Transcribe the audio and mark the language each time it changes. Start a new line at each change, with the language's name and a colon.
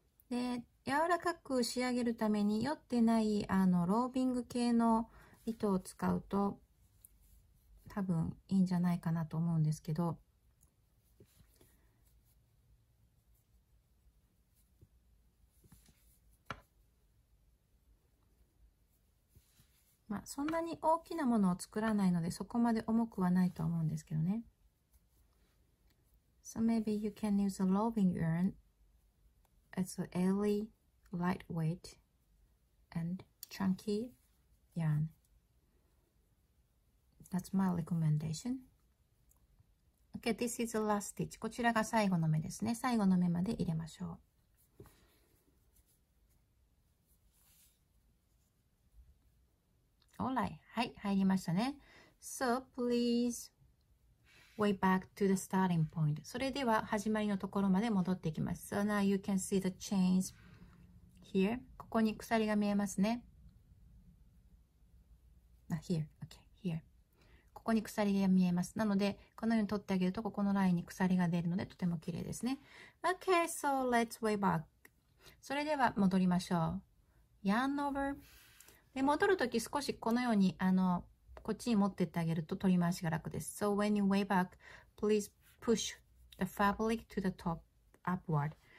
Japanese: で柔らかく仕上げるために酔ってないロービング系の糸を使うと多分いいんじゃないかなと思うんですけど、まあそんなに大きなものを作らないのでそこまで重くはないと思うんですけどね。
English: So maybe you can use a roving yarnIt's an airy, lightweight, and chunky yarn. That's my recommendation. Okay, this is the last stitch.
Japanese: こちらが最後の目ですね。最後の目まで入れましょう。
English: All right.
Japanese: はい、入りましたね。
English: So, please way back to the starting point.
Japanese: それでは始まりのところまで戻っていきます。
English: So now you can see the chains here.
Japanese: ここに鎖が見えますね。
English: Here. Okay. Here.
Japanese: ここに鎖が見えます。なので、このように取ってあげると、ここのラインに鎖が出るので、とても綺麗ですね。
English: Okay, so let's way back.
Japanese: それでは戻りましょう。
English: Yarn over.
Japanese: で戻るとき少しこのようにこっちに持ってってあげると取り回しが楽です。
English: So when you way back, please push the fabric to the top upward.